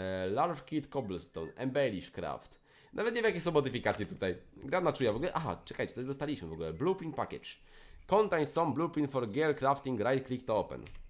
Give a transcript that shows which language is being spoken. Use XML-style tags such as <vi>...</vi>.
<en>Large kit cobblestone, embellish craft.</en> <pl>Nawet nie wiem, jakie są modyfikacje tutaj. Gram na czuja w ogóle. Aha, czekajcie, coś dostaliśmy w ogóle.</pl> <en>Blueprint package. Contains some blueprint for gear crafting, right click to open.</en>